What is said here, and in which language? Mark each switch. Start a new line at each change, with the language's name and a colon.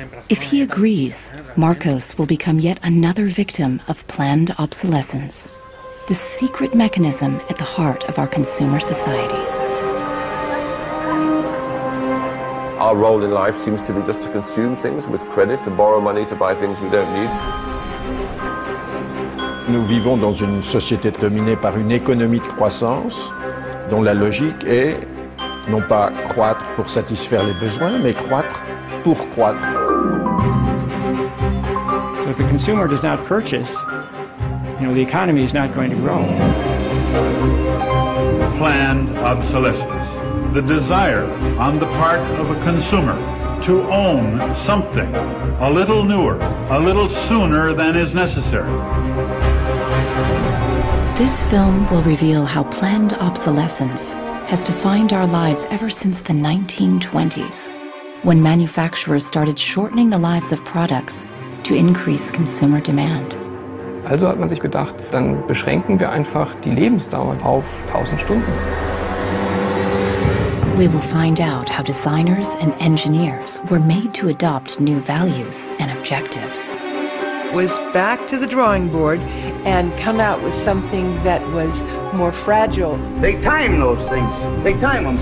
English: If he agrees, Marcos will become yet another victim of planned obsolescence, the secret mechanism at the heart of our consumer society. Our role in life seems to be just to consume things with credit, to borrow money to buy things we don't need.
French: Nous vivons dans une société dominée par une économie de croissance dont la logique est non pas croître pour satisfaire les besoins, mais croître pour croître.
English: So if the consumer does not purchase, you know, the economy is not going to grow. Planned obsolescence, the desire on the part of a consumer to own something a little newer, a little sooner than is necessary. This film will reveal how planned obsolescence has defined our lives ever since the 1920s, when manufacturers started shortening the lives of products to increase consumer demand.
German: Also hat man sich gedacht, dann beschränken wir einfach die Lebensdauer auf 1000 Stunden.
English: We will find out how designers and engineers were made to adopt new values and objectives. Was back to the drawing board and come out with something that was more fragile. They time those things. They time them.